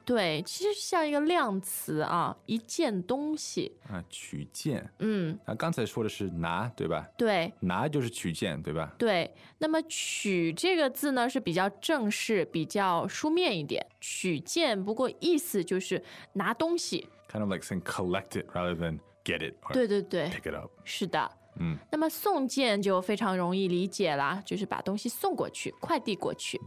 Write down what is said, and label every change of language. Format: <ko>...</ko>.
<zh>对，其实像一个量词啊，一件东西啊，取件。嗯，那刚才说的是拿对吧？对，拿就是取件对吧？对，那么取这个字呢是比较正式比较书面一点，取件不过意思就是拿东西。</zh> <en>Kind of like saying collect it rather than get it.</en> <zh>对对对，</zh> <en>pick it up.</en> <zh>是的。那么送件就非常容易理解了，就是把东西送过去，快递过去。</zh>